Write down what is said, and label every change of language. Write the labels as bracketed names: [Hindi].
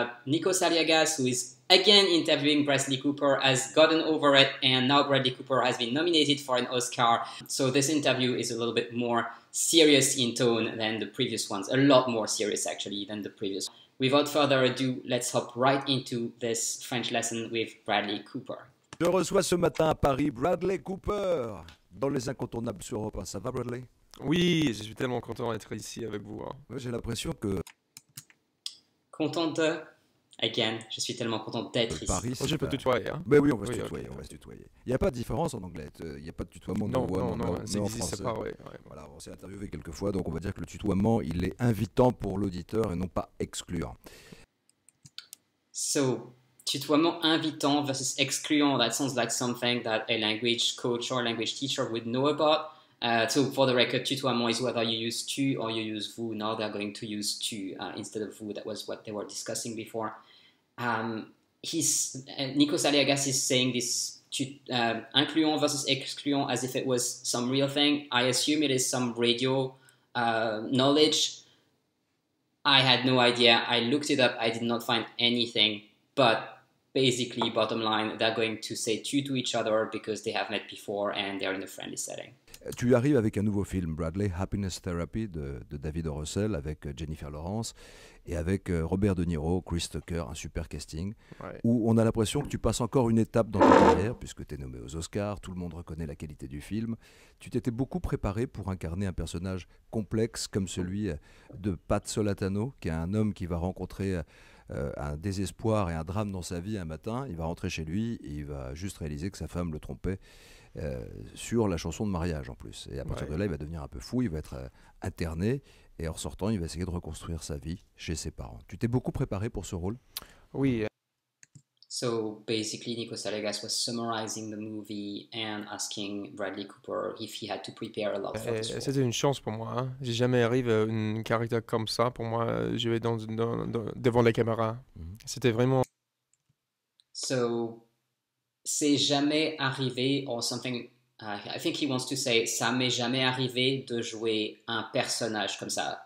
[English] Nico Saliagas, who is again interviewing Bradley Cooper, has gotten over it, and now Bradley Cooper has been nominated for an Oscar. So this interview is a little bit more serious in tone than the previous ones. A lot more serious, actually, than the previous. Without further ado, let's hop right into this French lesson with Bradley Cooper. [French] Je reçois ce matin à Paris Bradley Cooper dans les incontournables sur Europe 1. Ça va, Bradley? Oui, je suis tellement content d'être ici avec vous. Ouais, j'ai l'impression que... Content de... Again, je suis tellement content d'être ici. Paris, oh, je peux tutoyer. Hein. Mais oui, on va se tutoyer, okay. On va se tutoyer. Il n'y a pas de différence en anglais. Il n'y a pas de tutoiement. Non, ça n'existe pas. Ouais. Voilà, on s'est interviewé quelques fois, donc on va dire que le tutoiement, il est invitant pour l'auditeur et non pas excluant. [English] So, tutoiement invitant versus excluant, that sounds like something that a language coach or language teacher would know about. So, for the record, tutoiement is whether you use tu or you use vous. Now they're going to use tu instead of vous. That was what they were discussing before. Nico Saliagas is saying this incluant versus excluant as if it was some real thing. I assume it is some radio knowledge. I had no idea. I looked it up. I did not find anything. But basically, bottom line, they're going to say tu to each other because they have met before and they're in a friendly setting. [French] Tu arrives avec un nouveau film, Bradley, Happiness Therapy, de David Russell, avec Jennifer Lawrence, et avec Robert De Niro, Chris Tucker, un super casting, ouais. Où on a l'impression que tu passes encore une étape dans ta carrière, puisque tu es nommé aux Oscars, tout le monde reconnaît la qualité du film. Tu t'étais beaucoup préparé pour incarner un personnage complexe, comme celui de Pat Solatano, qui est un homme qui va rencontrer un désespoir et un drame dans sa vie un matin. Il va rentrer chez lui, et il va juste réaliser que sa femme le trompait, sur la chanson de mariage en plus. Et à partir de là, il va devenir un peu fou, il va être interné, et en sortant, il va essayer de reconstruire sa vie chez ses parents. Tu t'es beaucoup préparé pour ce rôle? Oui. [English] So basically, Nico Saliagas was summarizing the movie and asking Bradley Cooper if he had to prepare a lot for this role. [French] C'était une chance pour moi. Hein. J'ai jamais arrivé à un caractère comme ça. Pour moi, je vais devant la caméra. Mm-hmm. C'était vraiment... [English] So... [French] C'est jamais arrivé, [English] or something, I think he wants to say, [French] ça m'est jamais arrivé de jouer un personnage comme ça.